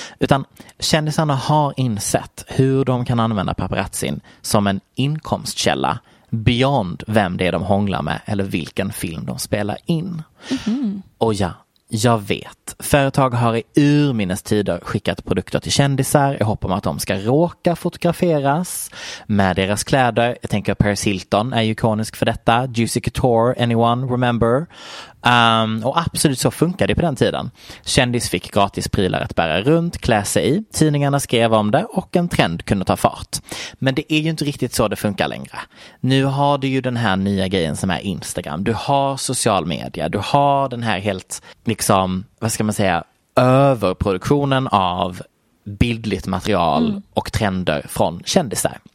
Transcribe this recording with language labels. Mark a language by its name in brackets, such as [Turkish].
[Swedish] Utan kändisarna har insett hur de kan använda paparazzin som en inkomstkälla beyond vem det är de hånglar med eller vilken film de spelar in. Mm-hmm. Och ja, jag vet. Företag har i urminnes tider skickat produkter till kändisar i hopp om att de ska råka fotograferas med deras kläder. Jag tänker att Paris Hilton är ikonisk för detta. [English] Juicy Couture, anyone remember? [Swedish] Och absolut så funkade det på den tiden. Kändis fick gratis prylar att bära runt, klä sig i. Tidningarna skrev om det och en trend kunde ta fart. Men det är ju inte riktigt så det funkar längre. Nu har du ju den här nya grejen som är Instagram. Du har social media. Du har den här helt, liksom, vad ska man säga, överproduktionen av bildligt material och trender från kändisar.